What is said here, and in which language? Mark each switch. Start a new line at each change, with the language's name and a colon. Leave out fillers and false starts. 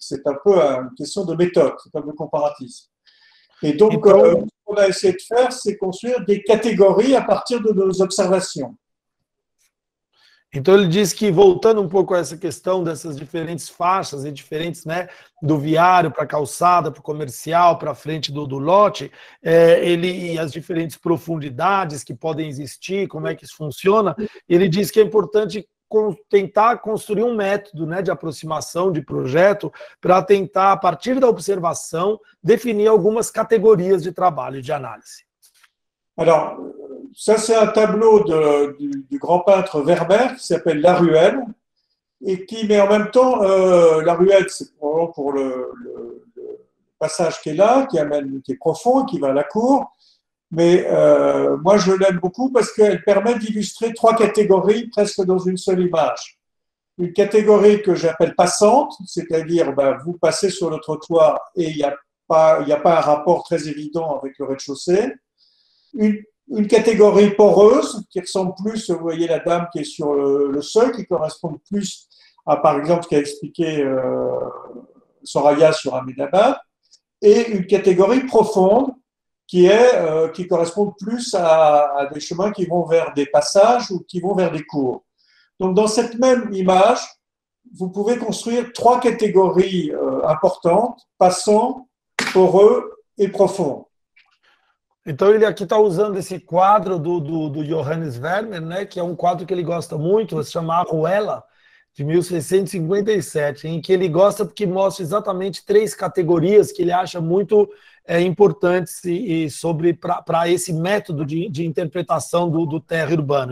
French: C'est un peu une question de méthode, c'est un peu comparatisme. Et donc, ce qu'on a essayé de faire, c'est construire des catégories à partir de nos observations.
Portuguese: Então, ele disse que, voltando pouco a essa questão dessas diferentes faixas e diferentes, né, do viário para a calçada, para o comercial, para a frente do lote, ele e as diferentes profundidades que podem existir, como é que isso funciona, ele disse que é importante tentar construir um método, né, de aproximação, de projeto, para tentar, a partir da observação, definir algumas categorias de trabalho, de análise.
French: Alors, ça c'est un tableau du grand peintre Vermeer, qui s'appelle La Ruelle, et qui met en même temps, La Ruelle, c'est probablement pour le passage qui est là, qui est profond, qui va à la cour, mais moi je l'aime beaucoup parce qu'elle permet d'illustrer trois catégories presque dans une seule image. Une catégorie que j'appelle passante, c'est-à-dire vous passez sur le trottoir et il n'y a pas un rapport très évident avec le rez-de-chaussée. Une, une catégorie poreuse qui ressemble plus, vous voyez la dame qui est sur le sol, qui correspond plus à, par exemple, ce qu'a expliqué Soraya sur Ahmedabad, et une catégorie profonde qui correspond plus à des chemins qui vont vers des passages ou qui vont vers des cours. Donc, dans cette même image, vous pouvez construire trois catégories importantes, passant, poreux et profond.
Portuguese: Então ele aqui está usando esse quadro do Johannes Vermeer, né, que é um quadro que ele gosta muito, se chama Arruela, de 1657, em que ele gosta porque mostra exatamente três categorias que ele acha muito importantes e sobre para esse método de interpretação do terra urbano.